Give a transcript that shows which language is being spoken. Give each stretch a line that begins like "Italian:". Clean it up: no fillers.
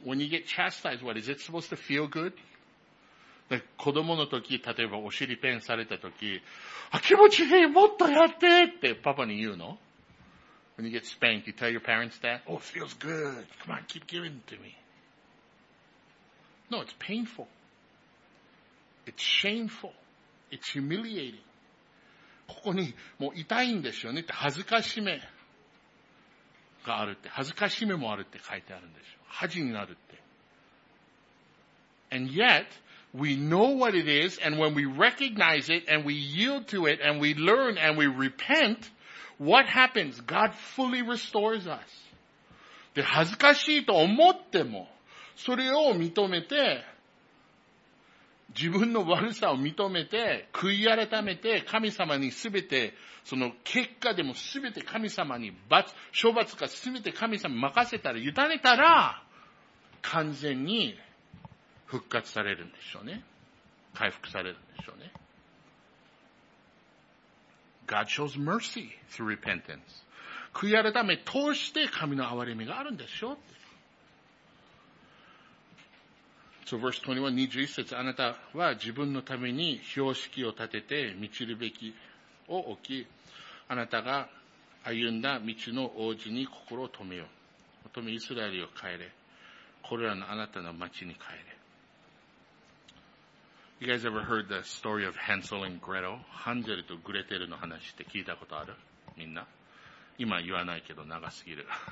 English: When you get chastised, what is it supposed to feel good?
Japanese: 子供の時、例えばお尻ペンされた時、あ、気持ちいい、もっとやってってパパに言うの？
English: When you get spanked, you tell your parents that? Oh, it feels good. Come on, keep giving it to me. No, it's painful. It's shameful. It's humiliating.
Japanese: ここにもう痛いんですよねって恥ずかしめがあるって、恥ずかしめもあるって書いてあるんですよ。恥になるって。
English: And yet,We know what it is, and when we recognize it, and we yield to it, and we learn, and we repent, what happens? God fully restores us.
Japanese: で、恥ずかしいと思っても、それを認めて、自分の悪さを認めて、悔い改めて、神様にすべて、その結果でもすべて神様に罰、処罰かすべて神様に任せたら、委ねたら、完全に、復活されるんでしょうね。回復されるんでしょうね。
English: God shows mercy through repentance.
Japanese: 悔い改め通して神の憐れみがあるんでしょう。
English: So verse 21,
Japanese: 21節、あなたは自分のために標識を立てて満ちるべきを置き、あなたが歩んだ道の王子に心を留めよ。おとめイスラエルを帰れ。これらのあなたの町に帰れ。
English: You guys ever heard the story of Hansel and Gretel?
Japanese: Hansel とグレテルの話って聞いたことある？みんな？今言わないけど長すぎる。